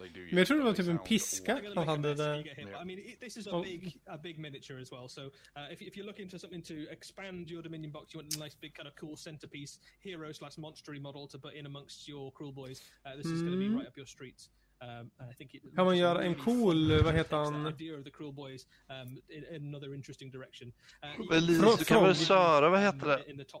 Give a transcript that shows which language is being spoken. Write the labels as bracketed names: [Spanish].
[Swedish] Men jag tror det var typ en piska han hade där. [English] I mean, this is a big miniature as well. So if you're looking for something to expand your dominion box, you want a nice big kind of cool centerpiece hero slash monstery model to put in amongst your cruel boys, this is going to be right up your street. [Swedish] Kan man göra en cool, vad heter han? Du kan väl köra, vad heter det?